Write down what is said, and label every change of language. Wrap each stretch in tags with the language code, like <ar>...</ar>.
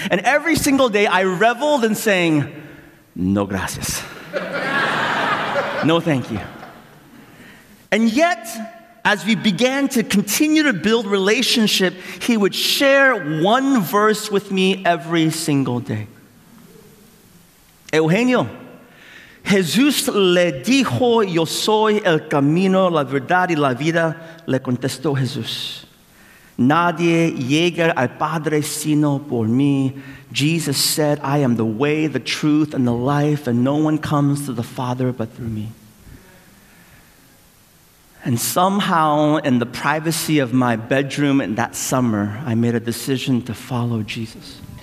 <en>And every single day I reveled in saying,</en> <es>no gracias.</es> <en>No thank you. And yet, as we began to continue to build relationship, he would share one verse with me every single day.</en> <es>Eugenio, Jesús le dijo, yo soy el camino, la verdad y la vida, le contestó Jesús. Nadie llega al Padre sino por mí.</es> <en>Jesus said, I am the way, the truth, and the life, and no one comes to the Father but through me. And somehow, in the privacy of my bedroom in that summer, I made a decision to follow Jesus.</en>